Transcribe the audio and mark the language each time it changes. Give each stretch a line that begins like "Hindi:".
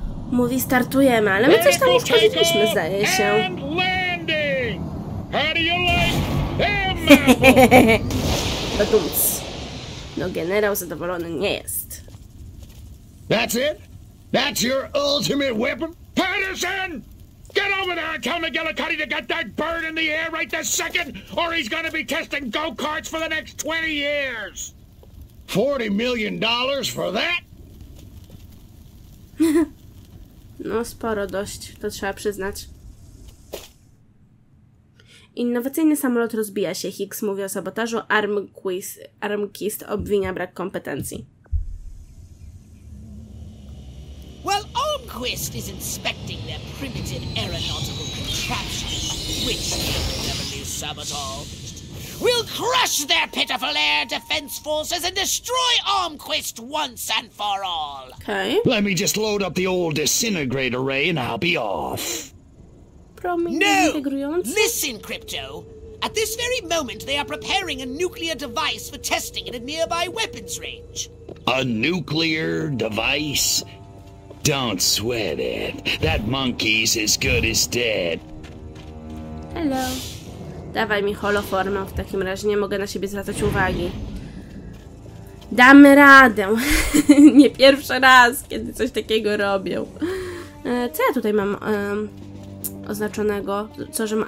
Polish: Mówi, startujemy, ale my coś tam już powiedzieliśmy, zdaje się.
English: And landing! How do you like them, my boy?
Polish: No, generał zadowolony nie jest.
English: That's it? That's your ultimate weapon? Patterson! Get over there and tell McGillicuddy to get that bird in the air right this second, or he's gonna be testing go-karts for the next 20 years! $40 million for that?
Polish: No, sporo dość, to trzeba przyznać. Innowacyjny samolot rozbija się, Hicks mówi o sabotażu, Armquist obwinia brak kompetencji.
English: Well, Armquist is inspecting their primitive aeronautical contraption, which cleverly sabotaged. We'll crush their pitiful air defense forces and destroy Armquist once and for all. Okay. Let me just load up the old disintegrate array and I'll be off. Promise. No! Listen, Crypto. At this very moment, they are preparing a nuclear device for testing in a nearby weapons range. A nuclear device? Don't sweat it. That monkey's as good as dead. Hello.
Polish: Dawaj mi holoformę, w takim razie nie mogę na siebie zwracać uwagi. Damy radę. Nie pierwszy raz, kiedy coś takiego robią. Co ja tutaj mam oznaczonego? Co, że ma...